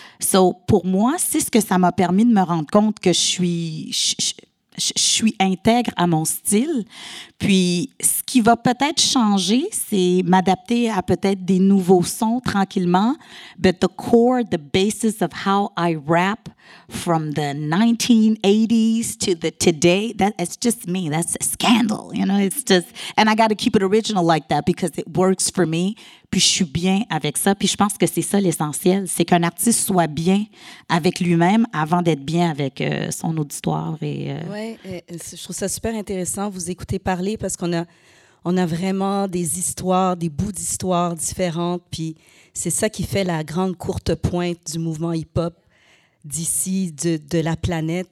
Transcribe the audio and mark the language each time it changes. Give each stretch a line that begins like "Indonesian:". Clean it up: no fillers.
French: So, pour moi, c'est ce que ça m'a permis de me rendre compte que je suis intègre à mon style. Puis, ce qui va peut-être changer, c'est m'adapter à peut-être des nouveaux sons tranquillement.
English: But the core, the basis of how I rap from the 1980s to the today, that's just me. That's a scandal, you know? It's just, and I got to keep it original like that because it works for me.
French: Puis, je suis bien avec ça. Puis, je pense que c'est ça l'essentiel. C'est qu'un artiste soit bien avec lui-même avant d'être bien avec son auditoire. Je trouve ça super intéressant. Vous écoutez parler parce qu'on a vraiment des histoires, des bouts d'histoires différentes. Puis, c'est ça qui fait la grande courte pointe du mouvement hip-hop d'ici, de la planète.